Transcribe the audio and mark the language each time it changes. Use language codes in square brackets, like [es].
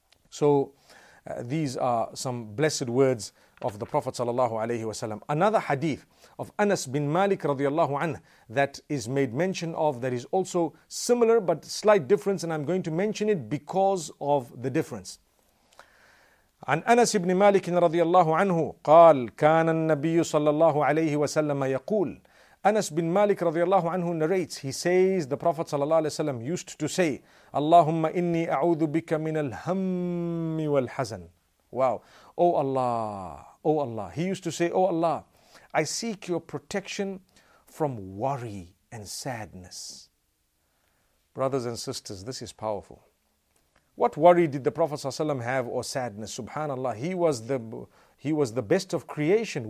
[en] So these are some blessed words of the Prophet sallallahu alayhi wa sallam. Another hadith of Anas bin Malik radiallahu anhu that is made mention of, that is also similar but slight difference, and I'm going to mention it because of the difference. [ar] عن أنس بن مالك رضي الله عنه قال كان النبي صلى الله عليه وسلم يقول. أنس بن مالك رضي الله عنه [en] narrates, he says the Prophet [ar] صلى الله عليه وسلم [en] used to say, [ar] اللهم إني أعوذ بك من الهم والحزن. [en] Wow. Oh Allah, oh Allah. He used to say, oh Allah, I seek your protection from worry and sadness. Brothers and sisters, this is powerful. What worry did the Prophet ﷺ have or sadness? Subhanallah, he was the best of creation.